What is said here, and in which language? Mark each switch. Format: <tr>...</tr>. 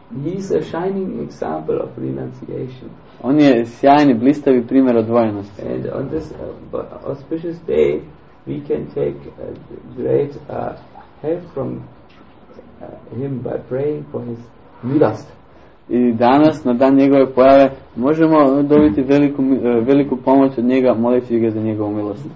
<en>He is a shining example of renunciation.</en> <hr>On je sjajni, blistavi primjer odvojenosti.</hr> <en>And on this auspicious day, we can take a great help from him by praying for his milost.</en> <hr>I danas, na dan njegove pojave, možemo dobiti veliku, veliku pomoć od njega, moliti ga za njegovu milost.</hr>